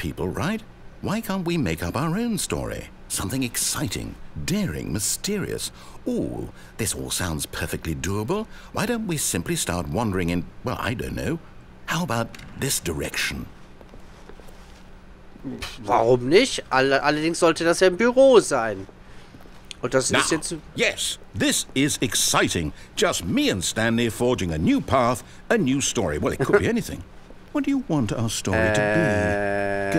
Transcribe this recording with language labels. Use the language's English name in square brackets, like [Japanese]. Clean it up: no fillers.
[English] People, right? Why can't we make up our own story? Something exciting, daring, mysterious. Ooh, this all sounds perfectly doable. Why don't we simply start wandering in, well, I don't know. How about this direction? [German] Warum nicht? Allerdings sollte das ja im Büro sein. Und das [English] Now, [German] ist jetzt... [English] Yes, this is exciting. Just me and Stanley forging a new path, a new story. Well, it could be anything. What do you want our story to be?